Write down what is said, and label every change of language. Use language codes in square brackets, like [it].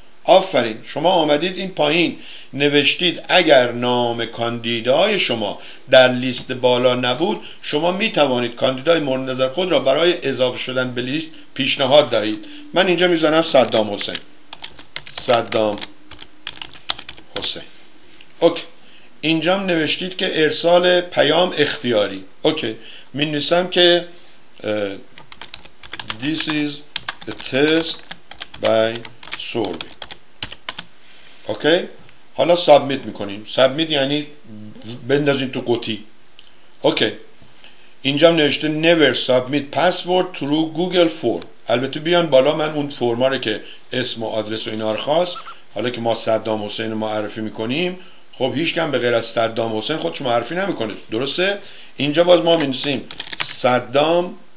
[fa] آفرین، شما آمدید این پایین نوشتید اگر نام کاندیدای شما در لیست بالا نبود، شما می توانید کاندیدای مورد نظر خود را برای اضافه شدن به لیست پیشنهاد دهید. من اینجا می زنم صدام حسین. صدام حسین، اوکی. اینجا نوشتید که ارسال پیام اختیاری، اوکی. می نویسم که [en] This is a test by survey، okay. [fa] حالا سابمیت میکنیم. سابمیت یعنی بندازین تو قوطی. اوکی. اینجا نوشته [en] never submit password through google form. [fa] البته بیان بالا، من اون فرما رو که اسم و آدرس و اینا رو خواست، حالا که ما صدام حسین معرفی میکنیم، خب هیچ کم به غیر از صدام حسین خودش معرفی نمیکنه، درسته؟ اینجا باز ما مینویسیم صدام